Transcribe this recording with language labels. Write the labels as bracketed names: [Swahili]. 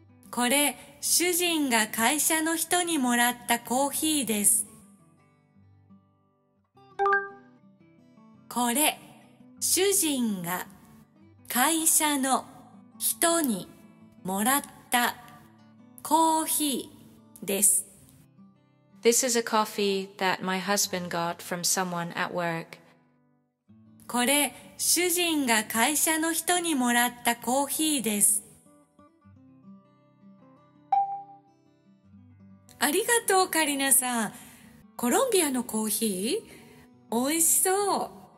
[Japanese] これ 主人が会社の人にもらったコーヒーです。これ 主人が会社の人にもらったコーヒーです。 [English] This is a coffee that my husband got from someone at work. [Japanese] これ 主人が会社の人にもらったコーヒーです。ありがとう、カリナさん。コロンビアのコーヒー?美味しそう。